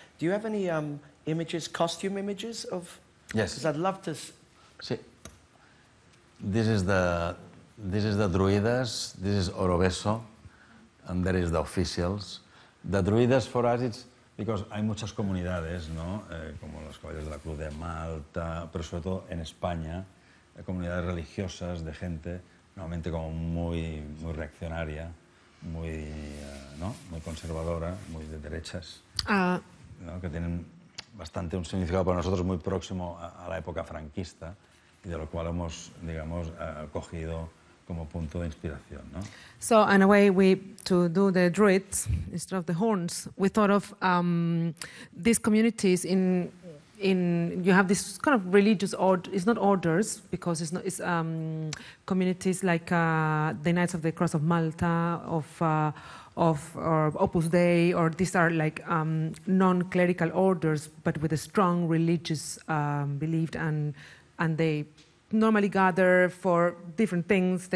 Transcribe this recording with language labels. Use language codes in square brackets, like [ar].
[en] Do you have any images, costume images of... Yes. Because I'd love to... [es] Sí. [en] This is the druidas, this is Oroveso, and there is the officials. The druidas for us, it's because [es] hay muchas comunidades, ¿no? Como los caballeros de la Cruz de Malta, pero sobre todo en España, comunidades religiosas de gente normalmente como muy, muy reaccionaria, muy, ¿no? Muy conservadora, muy de derechas, ¿no? Que tienen bastante un significado para nosotros muy próximo a la época franquista y de lo cual hemos, digamos, cogido como punto de inspiración, ¿no? [en] So in a way, to do the druids instead of the horns, we thought of these communities in you have this kind of religious order. It's not orders because it's not communities like the Knights of the Cross of Malta, or Opus Dei, or these are like non-clerical orders but with a strong religious belief, and they normally gather for different things.